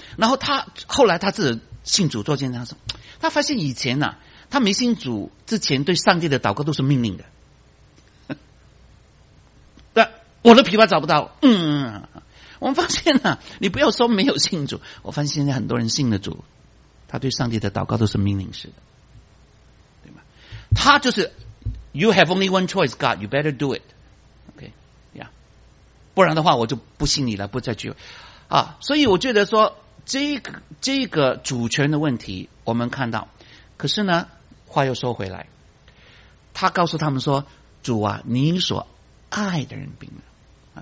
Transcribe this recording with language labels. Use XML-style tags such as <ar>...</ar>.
<zh>然后她后来她自己信主做见证的时候，她发现以前呢、啊，她没信主之前对上帝的祷告都是命令的。但我的皮包找不到，嗯，我们发现呢、啊，你不要说没有信主，我发现现在很多人信了主。他对上帝的祷告都是命令式的，对吗？他就是</zh> <en>You have only one choice, God, you better do it. OK, yeah.</en> <zh>不然的话我就不信你了，不再去啊。所以我觉得说这个主权的问题我们看到，可是呢话又说回来，他告诉他们说，主啊，你所爱的人病了。</zh>